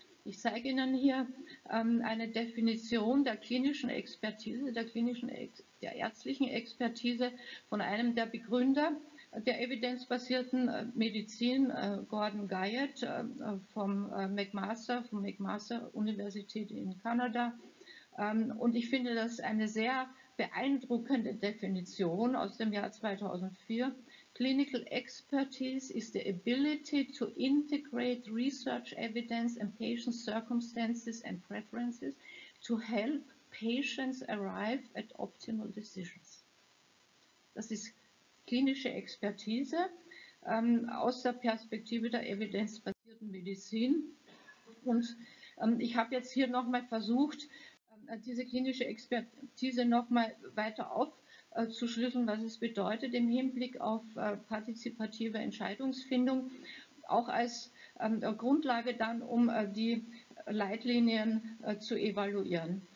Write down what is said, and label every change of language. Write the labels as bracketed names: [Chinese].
[German] Ich zeige Ihnen hier eine Definition der klinischen Expertise, der ärztlichen Expertise von einem der Begründer der evidenzbasierten Medizin, Gordon Guyatt von McMaster Universität in Kanada. Und ich finde das eine sehr beeindruckende Definition aus dem Jahr 2004. [English] Clinical expertise is the ability to integrate research evidence and patient circumstances and preferences to help patients arrive at optimal decisions. [German] Das ist klinische Expertise aus der Perspektive der evidenzbasierten Medizin. Und ich habe jetzt hier nochmal versucht, diese klinische Expertise nochmal weiter aufzuschlüsseln, was es bedeutet im Hinblick auf partizipative Entscheidungsfindung, auch als Grundlage dann, um die Leitlinien zu evaluieren.